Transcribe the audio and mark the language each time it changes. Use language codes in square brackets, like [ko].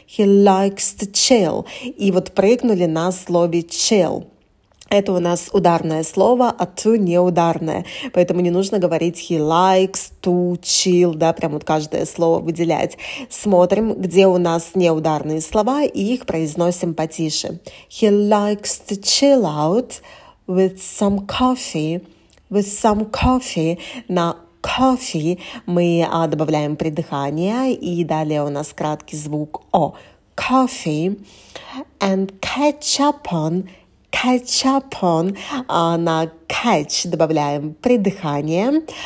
[en] He likes to chill. [ru] И вот прыгнули на слове chill. Это у нас ударное слово, а to не ударное. Поэтому не нужно говорить [en] he likes to chill, [ru] да, прям вот каждое слово выделять. Смотрим, где у нас неударные слова, и их произносим потише. [en] He likes to chill out with some coffee. With some coffee. [ru] На coffee мы добавляем придыхание, и далее у нас краткий звук о. [en] Coffee and catch up on... Catch up on, [ru] на catch добавляем придыхание.